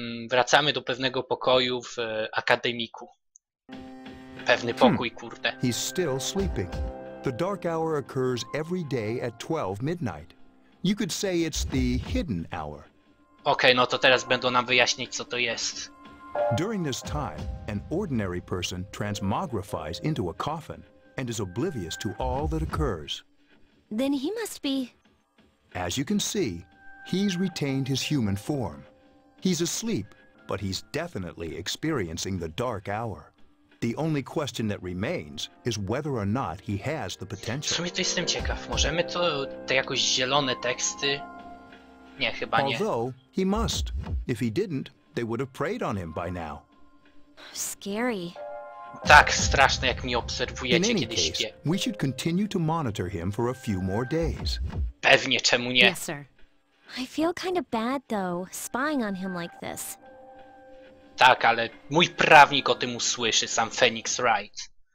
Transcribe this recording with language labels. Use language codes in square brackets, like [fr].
[pl] Wracamy do pewnego pokoju w akademiku. Pewny pokój, kurde. [en] He's still sleeping. The dark hour occurs every day at 12 midnight. You could say it's the hidden hour. [pl] Okej, no to teraz będą nam wyjaśnić, co to jest. [en] During this time, an ordinary person transmogrifies into a coffin and is oblivious to all that occurs. Then he must be... As you can see, he's retained his human form. He's asleep, but he's definitely experiencing the dark hour. The only question that remains is whether or not he has the potential. [pl] W sumie to jestem ciekaw. Możemy to te jakoś zielone teksty? Nie, chyba nie. [en] Although, he must. If he didn't, they would have preyed on him by now. Scary. [pl] Tak, straszne, jak mnie obserwujecie, kiedy śpię. [en] In any case, we should continue to monitor him for a few more days. [pl] Pewnie, czemu nie? [en] Yes, sir. I feel kind of bad, though, spying on him like this. [pl] Tak, ale mój prawnik o tym usłyszy, sam Phoenix Wright.